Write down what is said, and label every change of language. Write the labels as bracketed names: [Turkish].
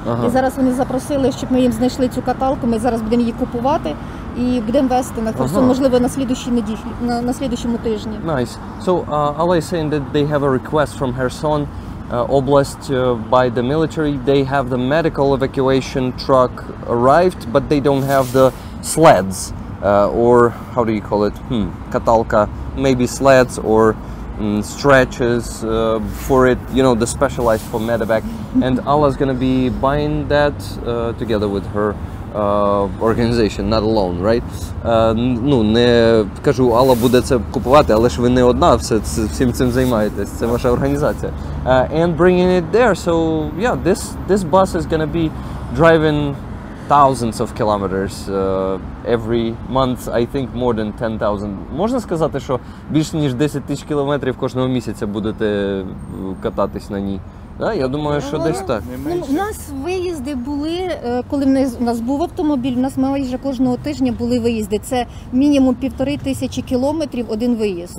[Ukrainian] Ага. І зараз вони запросили, щоб ми їм знайшли цю каталку, ми зараз будемо її купувати і будемо везти на Херсон, ага. Можливо, на слідущій неділі, на слідущому тижні. [English] Nice. So, Alla is saying that they have a request from Kherson Oblast by the military. They have the medical evacuation truck arrived, but they don't have the sleds, or how do you call it, каталка, maybe sleds or stretches for it, you know, the specialized for medevac. And Alla's gonna be buying that together with her organization, not alone, right? [Ukrainian] Ну, не кажу, Алла буде це купувати, але ж ви не одна, все всім цим займаєтесь, це ваша організація. [English] And bringing it there, so yeah, this bus is gonna be driving thousands of kilometers every month, I think more than 10,000. [Ukrainian] Можна сказати, що більше ніж 10 тисяч кілометрів кожного місяця будете кататись на ній? Так, я думаю, що десь так. Ну, у нас виїзди були, коли в нас був автомобіль, у нас майже кожного тижня були виїзди. Це мінімум 1500 кілометрів один виїзд.